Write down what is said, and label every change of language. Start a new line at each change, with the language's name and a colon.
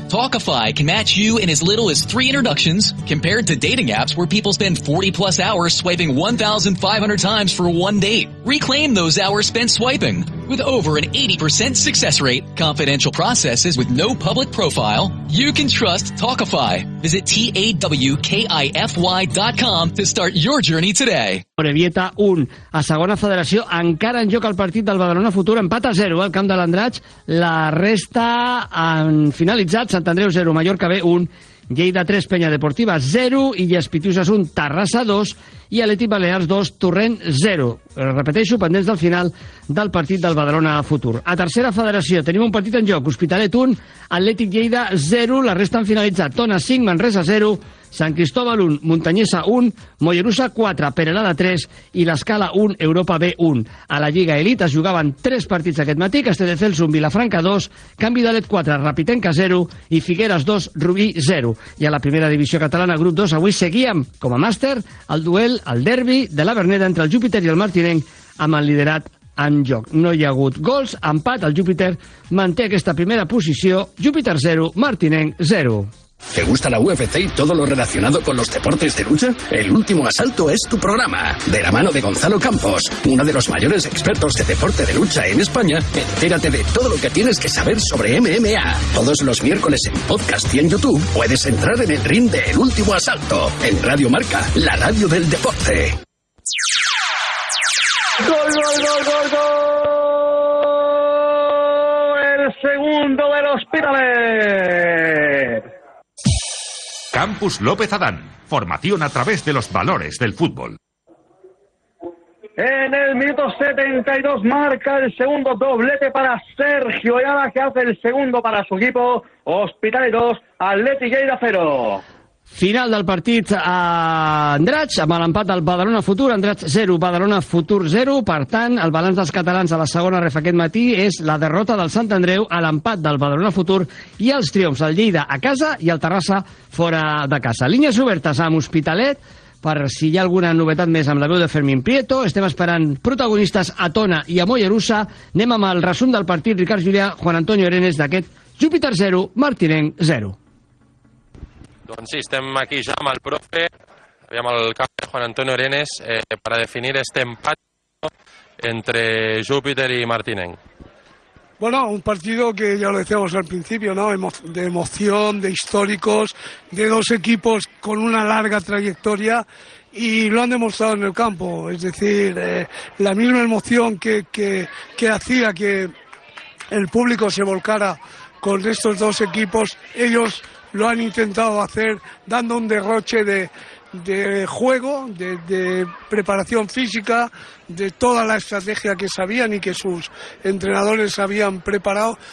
English: Talkify can match you in as little as 3 introductions compared to dating apps where people spend 40 plus hours swiping 1,500 times for one date. Reclaim those hours spent swiping. With over an 80% success rate, confidential processes with no public profile, you can trust Talkify. Visit TAWKIFY.com to start your journey today. Previeta 1.
Catalan: A segona federació, encara en joc al partit del Badalona Futur. Empat a 0 al camp de l'Andratx. La resta han finalitzat. Sant Andreu 0, Mallorca B 1. Lleida 3, Penya Deportiva 0, Illes Pitiuses 1, Terrassa 2 i Atlètic Balears 2, Torrent 0. Repeteixo, pendents del final del partit del Badalona Futur. A tercera federació tenim un partit en joc, Hospitalet 1, Atlètic Lleida 0, la resta han finalitzat, Tona 5, Manresa 0, Sant Cristòbal 1, Muntanyesa 1, Mollerussa 4, Peralada 3 i l'Escala 1, Europa B 1. A la Lliga Elite es jugaven 3 partits aquest matí, Castelldefels 1, Vilafranca 2, Canvi d'Alet 4, Rapitenca 0 i Figueres 2, Rubí 0. I a la primera divisió catalana, grup 2, avui seguíem com a màster el duel, el derbi de la Verneda entre el Júpiter i el Martinenc amb el liderat en joc. No hi ha hagut gols, empat, el Júpiter manté aquesta primera posició, Júpiter 0, Martinenc 0.
Spanish: ¿Te gusta la UFC y todo lo relacionado con los deportes de lucha? El Último Asalto es tu programa. De la mano de Gonzalo Campos, uno de los mayores expertos de deporte de lucha en España, entérate de todo lo que tienes que saber sobre MMA. Todos los miércoles en podcast y en YouTube puedes entrar en el ring de El Último Asalto, en Radio Marca, la radio del deporte. ¡Gol, gol, gol, gol, gol! ¡El segundo del Hospital! Campus López Adán, formación a través de los valores del fútbol. En el minuto 72 marca el segundo doblete para Sergio Ayala, que hace el segundo para su equipo, Hospitalet 2, Atlètic Lleida 0.
Catalan: Final del partit a Andratx, amb l'empat del Badalona Futur, Andratx 0, Badalona Futur 0. Per tant, el balanç dels catalans a la segona ref aquest matí és la derrota del Sant Andreu a l'empat del Badalona Futur i els triomfs del Lleida a casa i el Terrassa fora de casa. Línies obertes amb Hospitalet, per si hi ha alguna novetat més amb la veu de Fermín Prieto. Estem esperant protagonistes a Tona i a Mollerussa. Anem amb el resum del partit, Ricard Julià, Juan Antonio Arenes, d'aquest Júpiter 0, Martinenc 0. Doncs sí, estem aquí ja amb el profe, aviam el cap de Juan Antonio Arenes, per a definir aquest empat entre Júpiter i Martinenc.
Spanish: Bueno, un partido que ya lo decíamos al principio, ¿no? De emoción, de históricos, de dos equipos con una larga trayectoria y lo han demostrado en el campo. Es decir, la misma emoción que hacía que el público se volcara con estos dos equipos, ellos lo han intentado hacer dando un derroche de juego, de preparación física, de toda la estrategia que sabían y que sus entrenadores habían preparado.